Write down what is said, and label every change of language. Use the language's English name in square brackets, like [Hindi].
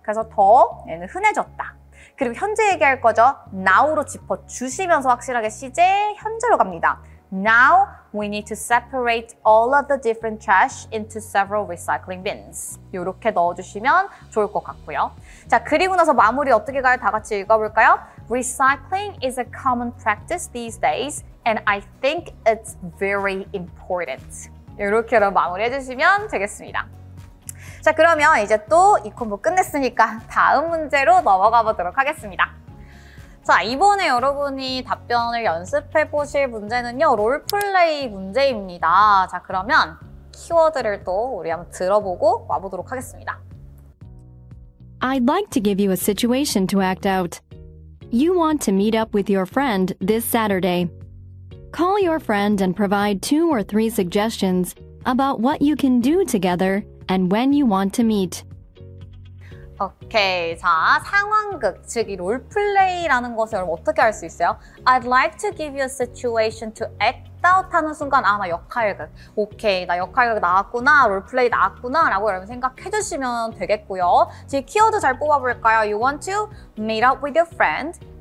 [Korean] 그래서 더 얘는 흔해졌다. 그리고 현재 얘기할 거죠. Now로 짚어주시면서 확실하게 시제 현재로 갑니다. [English] Now we need to separate all of the different trash into several recycling bins. [Korean] 이렇게 넣어주시면 좋을 것 같고요. 자, 그리고 나서 마무리 어떻게 가요? 다 같이 읽어볼까요? [English] Recycling is a common practice these days and I think it's very important. [Korean] 이렇게 마무리 해주시면 되겠습니다. 자, 그러면 이제 또 이 콤보 끝냈으니까 다음 문제로 넘어가 보도록 하겠습니다. 자, 이번에 여러분이 답변을 연습해 보실 문제는요, 롤플레이 문제입니다. 자, 그러면 키워드를 또 우리 한번 들어보고 와보도록 하겠습니다. [English] I'd like to give you a situation to act out. You want to meet up with your friend this Saturday. Call your friend and provide two or three suggestions about what you can do together and when you want to meet. [Korean] 오케이, 자, 상황극, 즉 이 롤플레이라는 것을 여러분 어떻게 할 수 있어요? [English] I'd like to give you a situation to act out [Korean] 하는 순간, 아, 나 역할극. 오케이, 나 역할극 나왔구나, 롤플레이 나왔구나 라고 여러분 생각해 주시면 되겠고요. 제 키워드 잘 뽑아볼까요? [English] You want to meet up with your friend.